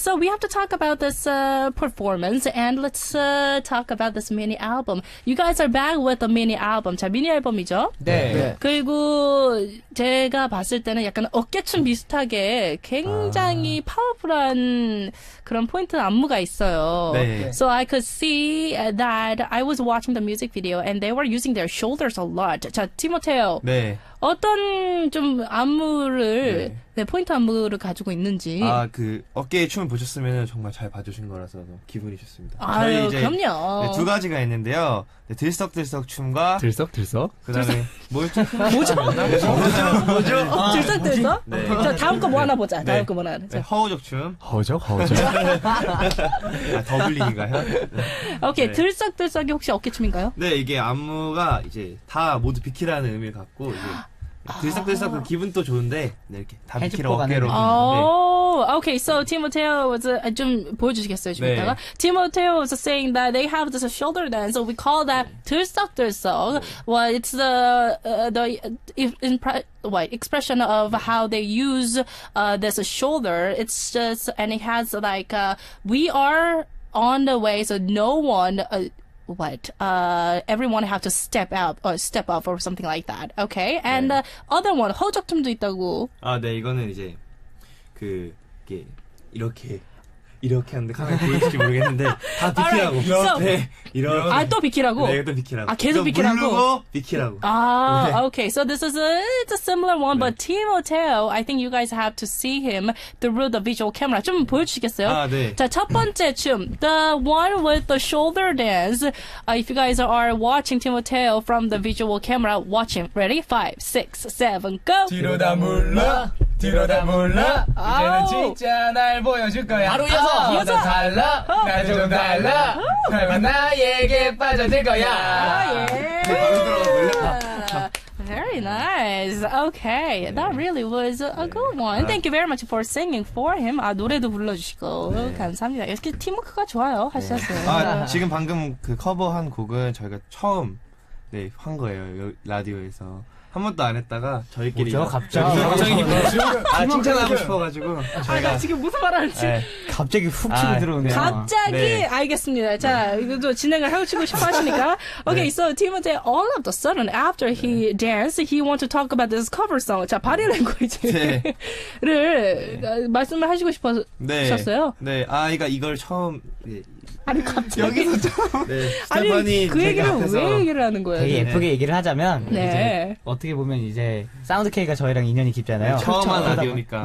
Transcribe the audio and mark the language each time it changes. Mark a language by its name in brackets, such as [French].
[English] So we have to talk about this performance and let's talk about this mini album. You guys are back with the mini album. [Korean] 자, 미니 앨범이죠? 네. 그리고 제가 봤을 때는 약간 어깨춤 비슷하게 굉장히 아. 파워풀한 그런 포인트 안무가 있어요. 네. [English] So I could see that I was watching the music video and they were using their shoulders a lot. [Korean] 자, 티모테오. 네. 어떤 좀 안무를 네. 네, 포인트 안무를 가지고 있는지. 아, 그 어깨에 춤을 보셨으면 정말 잘 봐주신 거라서 기분이 좋습니다. 아유, 이제 그럼요. 네, 두 가지가 있는데요. 네, 들썩들썩 춤과 들썩들썩 그다음에 뭐죠? 뭐죠? 들썩들썩? 네. 자, 다음 거 뭐 하나 보자. 네. 다음 거 뭐 하나 보자. 네, 허우적 춤. 허우적? 허우적? 아, 더블링인가요? 네. 오케이, 네. 들썩들썩이 혹시 어깨춤인가요? 네, 이게 안무가 이제 다 모두 비키라는 의미를 갖고 이제 들썩들썩 그 기분 또 좋은데 네, 이렇게 다 비키로 어깨로 오, 네. [English] Okay, so Timoteo was [Korean] 좀 보여주시겠어요 좀 네. [English] 이따가 Timoteo was saying that they have this shoulder dance, so we call that 들썩들썩. [Korean] 네. 네. [English] Well, it's the expression of how they use this shoulder. It's just and it has like we are on the way, so no one. Everyone have to step out or step up or something like that. Okay. And 네. Other one, [Korean] 허우적 춤도 있다고. 아, 네. 이거는 이제 그 이렇게 이렇게 하는데 카메라 보일지 모르겠는데 다 비키라고. [English] Right. So, [Korean] 네. 이런 아, 또 비키라고. 네, 또 비키라고. 아, 계속 비키라고. 부르고 비키라고. 아, 네. okay. [English] So this is it's a similar one 네. but Timoteo, I think you guys have to see him through the visual camera. [Korean] 좀 보여 주시겠어요? 아, 네. 자, 첫 번째 춤. [English] The one with the shoulder dance. If you guys are watching Timoteo from the visual camera, watch him. Ready? 5 6 7 go. [Korean] 뒤로 다 물러. 뒤로 다 물러. 이제는 진짜 날 보여 줄 거야. 바로 여자 달라 날 좀 달라 설마 나에게 빠져들 거야 아, 예. 바로 들어가 [English] Very very nice. Okay, yeah. That really was a good one. Thank you very much for singing for him. [Korean] 아 노래도 불러주시고 네. 감사합니다. 이렇게 팀워크가 좋아요 하셨어요. 네. 아 지금 방금 그 커버한 곡은 저희가 처음 네, 한 거예요 라디오에서. 한 번도 안 했다가 저희끼리 뭐죠? 갑자기 갑자기 뭐죠? 아 칭찬하고 싶어가지고 저희가 아, 지금 무슨 말하는지 네. 갑자기 훅 치고 아, 들어오네요. 갑자기 네. 알겠습니다. 자 네. 이것도 진행을 해주시고 싶어하시니까 오케이 네. [English] So Timothy all of the sudden after he [Korean] 네. [English] danced he want to talk about this cover song. [Korean] 자 바디 랭귀지를 네. 네. 말씀을 하시고 싶으셨어요. 네. 네. 아 이거 이걸 처음 아니 갑자기 여기서 처음 스테파니 그 얘기를 왜 얘기를 하는 거예요? 되게 예쁘게 네. 얘기를 하자면 네. 이제 어떻게 보면 이제 사운드 K가 저희랑 인연이 깊잖아요. 네, 처음 한 라디오니까.